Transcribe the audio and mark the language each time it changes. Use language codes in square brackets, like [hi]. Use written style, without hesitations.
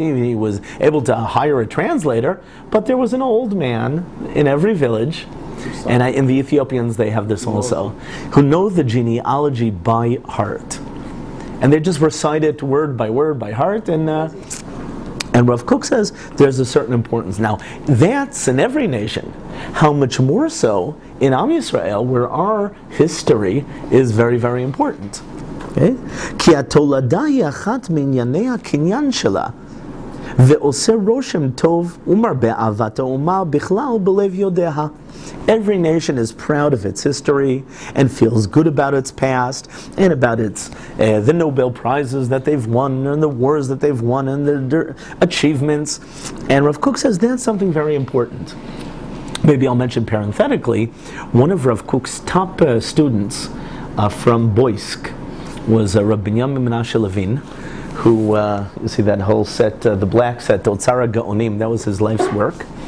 [en] He was able to hire a translator, but there was an old man in every village, and in the Ethiopians they have this also, who know the genealogy by heart. And they just recite it word by word by heart, and Rav Kook says there's a certain importance. Now, that's in every nation. How much more so in Am Yisrael, where our history is very, very important. [he] כי התולדה היא אחת מענייני הקניין שלה ועושה רושם טוב ומרבה אהבת האומה בכלל בלב יודעה. [en] Every nation is proud of its history and feels good about its past and about its the Nobel Prizes that they've won and the wars that they've won and their achievements. And Rav Kook says that's something very important. Maybe I'll mention parenthetically, one of Rav Kook's top students from Boisk was Rabbi Binyamin Menashe Levin, who, you see that whole set, the black set, Otsara Gaonim, that was his life's work.